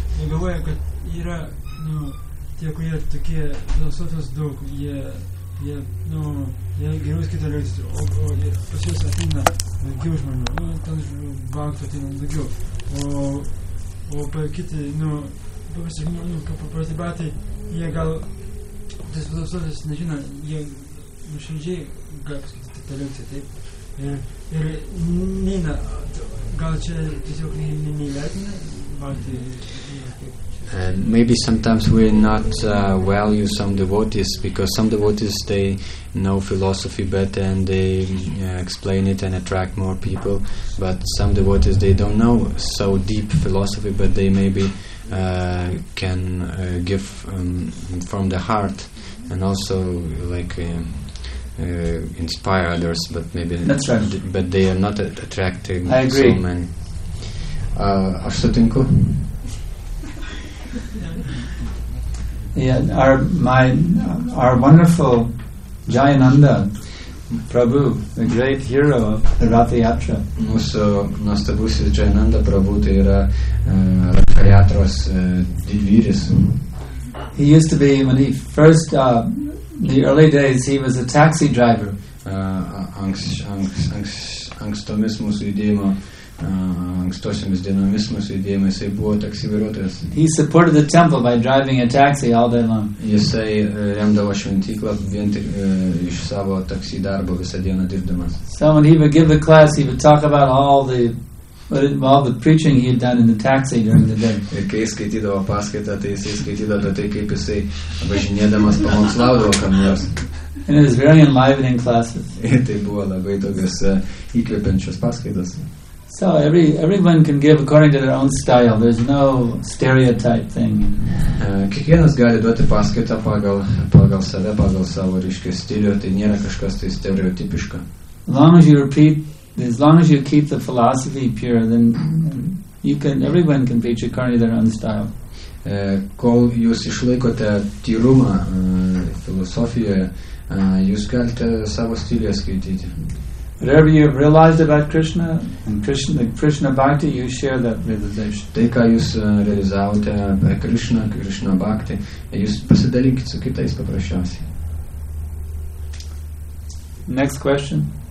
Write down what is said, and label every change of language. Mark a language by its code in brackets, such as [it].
[lt] Jie galvoja, kad yra, nu, tie, kurie tokie filosofijos daug, jie geriau skaito leidus, o pas juos atina daugiau žmonių, nu, ten banktų atina daugiau, o kiti, nu, paprasti batai, jie gal, tas filosofijos nežino, jie nuširdžiai gali paskaityti tą leidusią, taip, ir neina, gal čia tiesiog neįvertina banktų. [en] And maybe sometimes we not value some devotees, because some devotees, they know philosophy better and they explain it and attract more people. But some devotees, they don't know so deep philosophy, but they maybe can give from the heart and also like inspire others, but maybe that's right. But they are not attracting I agree. So many. [lt] Aš sutinku. [en] Yeah, our wonderful Jayananda Prabhu, the great hero of the Ratha Yatra. [lt] Mūsų nuostabusis Jayananda Prabhu, tai yra Ratha Yatros didvyris. [en] He used to be, when he first, the early days, he was a taxi driver. [lt] Ankstomis mūsų judėjimo ankstosiomis dienomis mūsų judėjimais, jis buvo taksi vairuotojas. [en] He supported the temple by driving a taxi all day long. [lt] Jisai remdavo šventyklą vien tik iš savo taksi darbo visą dieną dirbdamas. [en] So when he would give the class, he would talk about all the preaching he had done in the taxi during the day. [lt] Ir kai skaitydavo paskaitą, tai jisai skaitydavo tai, kaip jisai važinėdamas pamokslaudavo kam nors. [en] And it was very enlivening classes. [lt] Tai buvo labai tokios įkvepiančios paskaitos. [en] So everyone can give according to their own style. There's no stereotype thing. [lt] Kiekvienas gali duoti paskaitą pagal save, pagal savo reiškia stilių. Tai nėra kažkas tai stereotipiška. [en] As long as you keep the philosophy pure, then everyone can preach according to their own style. [lt] Kol jūs išlaikote tyrumą filosofijoje, jūs galite savo stilių skaityti. [en] Whatever you have realized about Krishna and Krishna Bhakti, you share that realization. [lt] Tai, ką jūs realizavote apie Krishna Bhakti, jūs pasidalinkite su kitais paprasčiausiai. [en] Next question.